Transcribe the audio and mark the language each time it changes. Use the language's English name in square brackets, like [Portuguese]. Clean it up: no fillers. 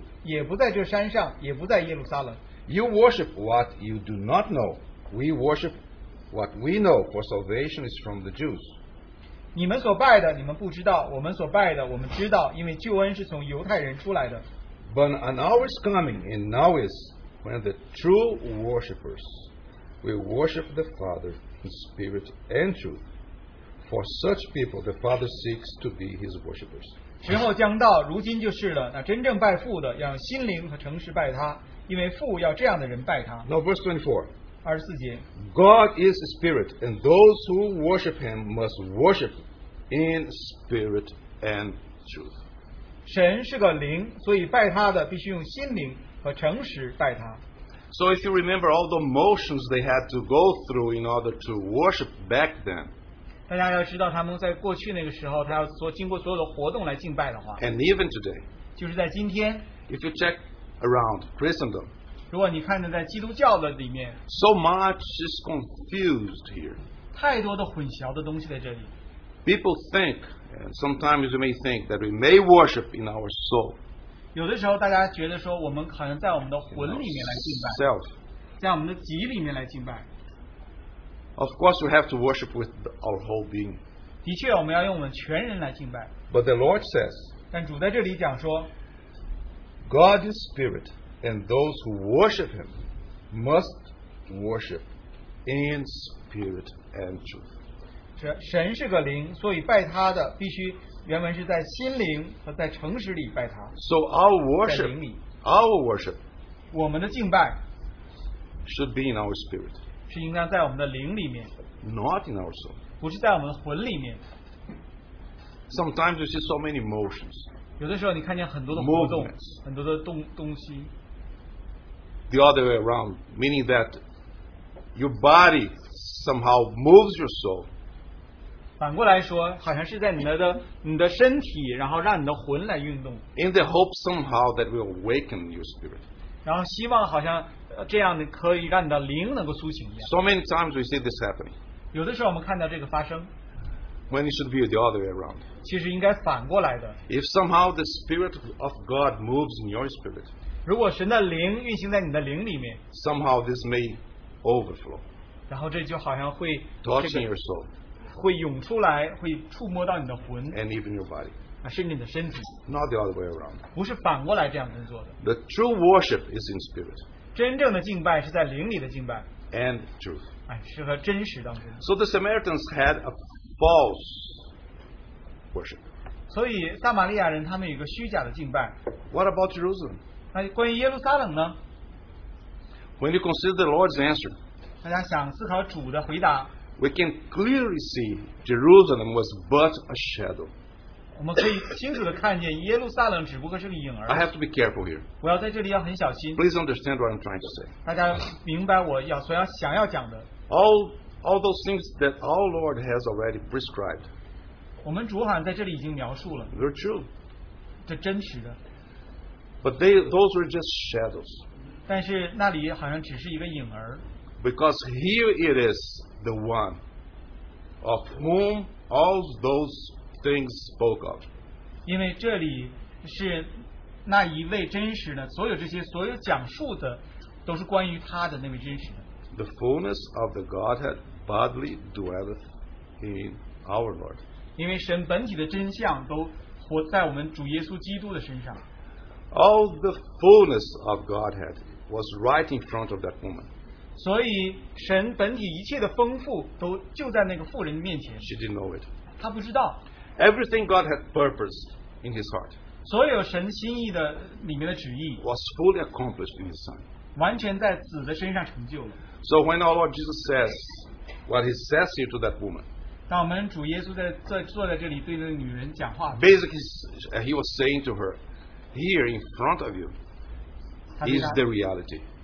[Chinese] 耶稣说，妇人，你当信我，那时候将到，你们拜父，也不在这山上，也不在耶路撒冷。 [English] You worship what you do not know. We worship what we know, for salvation is from the Jews. [Chinese] 你们所拜的你们不知道，我们所拜的我们知道，因为救恩是从犹太人出来的。 [English] But an hour is coming, and now is, when the true worshippers will worship the Father in spirit and truth. For such people, the Father seeks to be His worshippers. [Chinese] 时候将到，如今就是了。那真正拜父的，要用心灵和诚实拜他，因为父要这样的人拜他。 [English] No, verse 24. [Chinese] 24节。 [English] God is spirit, and those who worship Him must worship in spirit and truth. [Chinese] 神是个灵, 所以拜他的必须用心灵和诚实拜他。 [English] So if you remember all the motions they had to go through in order to worship back then, [Chinese] 大家要知道他们在过去那个时候, 他要经过所有的活动来敬拜的话, [English] and even today, [Chinese] 就是在今天, [English] if you check around Christendom, [Chinese] 如果你看着在基督教的里面, [English] so much is confused here. [Chinese] 太多的混淆的东西在这里。 [English] People think, and sometimes you may think, that we may worship in our soul. [Chinese] 有的时候大家觉得说我们可能在我们的魂里面来敬拜。 [English] Self. [Chinese] 在我们的己里面来敬拜。 [English] Of course, we have to worship with our whole being. [Chinese] 的确，我们要用我们全人来敬拜。 [English] But the Lord says, [Chinese] 但主在这里讲说， [English] God is spirit, and those who worship Him must worship in spirit and truth. [Chinese] 神是个灵，所以拜他的必须原文是在心灵和在诚实里拜他。 [English] So our worship, [Chinese] 在灵里， [English] our worship, [Chinese] 我们的敬拜 [English] should be in our spirit, [Chinese] 是应当在我们的灵里面， [English] not in our soul. [Chinese] 不是在我们的魂里面。 [English] Sometimes you see so many motions. [Chinese] 有的时候你看见很多的活动，很多的东西。 [English] The other way around, meaning that your body somehow moves your soul. [Chinese] 反过来说，好像是在你的身体，然后让你的魂来运动。 [English] In the hope somehow that will awaken your spirit. [Chinese] 然后希望好像这样的可以让你的灵能够苏醒一样。 [English] So many times we see this happening. [Chinese] 有的时候我们看到这个发生， [English] when it should be the other way around. [Chinese] 其实应该反过来的。 [English] If somehow the Spirit of God moves in your spirit, [Chinese] 如果神的灵运行在你的灵里面， [English] somehow this may overflow. [Chinese] 然后这就好像会 [English] touching your soul, [Chinese] 会涌出来，会触摸到你的魂， [English] and even your body, [Chinese] 甚至你的身体。 [English] Not the other way around. [Chinese] 不是反过来这样工作的。 [English] The true worship is in spirit. [Chinese] 真正的敬拜是在灵里的敬拜。 [English] And truth. [Chinese] 是和真实当中。 [English] So the Samaritans had a false worship. [Chinese] 所以撒玛利亚人他们有个虚假的敬拜。 [English] What about Jerusalem? [Chinese] 那关于耶路撒冷呢？ [English] When you consider the Lord's answer, [Chinese] 大家想思考主的回答。 [English] We can clearly see Jerusalem was but a shadow. [Chinese] 我们可以清楚的看见耶路撒冷只不过是个影儿。 [English] I have to be careful here. [Chinese] 我要在这里要很小心。 [English] Please understand what I'm trying to say. [Chinese] 大家明白我要所要想要讲的。 [English] All those things that our Lord has already prescribed. [Chinese] 我们主好像在这里已经描述了。 [English] They're true. [Chinese] 这真实的。 [English] But those were just shadows. [Chinese] 但是那里好像只是一个影儿。 [English] Because here it is the one of whom all those things spoke of. [Chinese] 因为这里是那一位真实的，所有这些所有讲述的都是关于他的那位真实的。 [English] The fullness of the Godhead bodily dwelleth in our Lord. [Chinese] 因为神本体的真相都活在我们主耶稣基督的身上。 [English] All the fullness of Godhead was right in front of that woman. [Chinese] 所以神本体一切的丰富都就在那个妇人面前。 [English] She didn't know it. [Chinese] 她不知道。 [English] Everything God had purposed in His heart. [Chinese] 所有神心意的里面的旨意 [English] was fully accomplished in His Son. [Chinese] 完全在子的身上成就了。 [English] So when our Lord Jesus says what he says here to that woman, basically he was saying to her, here in front of you is the reality.